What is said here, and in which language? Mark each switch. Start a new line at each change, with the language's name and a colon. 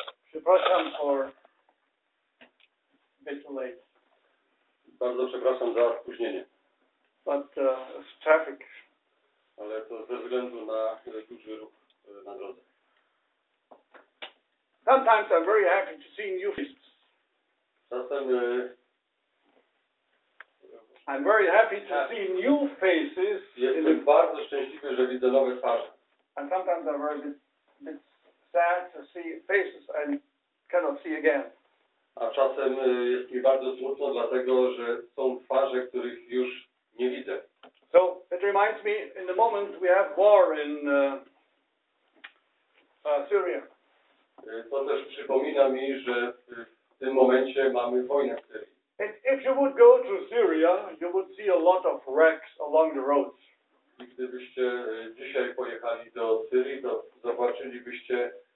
Polish: przepraszam
English: for a bit late.
Polish: Bardzo przepraszam za spóźnienie.
English: But traffic.
Polish: Ale to ze względu na duży ruch na drodze.
English: Sometimes I'm very happy to see new faces.
Polish: Czasem
English: I'm very happy to see new faces.
Polish: Jestem bardzo szczęśliwy, że widzę nowe twarze.
English: And sometimes I'm very bit sad to see faces I cannot see again.
Polish: A czasem jest mi bardzo smutno, dlatego że są twarze, których już nie widzę.
English: So it reminds me, in the moment we have war in Syria.
Polish: To też przypomina mi, że w tym momencie mamy wojnę w Syrii.
English: If you would go to Syria, you would see a lot of wrecks along the roads.
Polish: I gdybyście dzisiaj pojechali do Syrii, to zobaczylibyście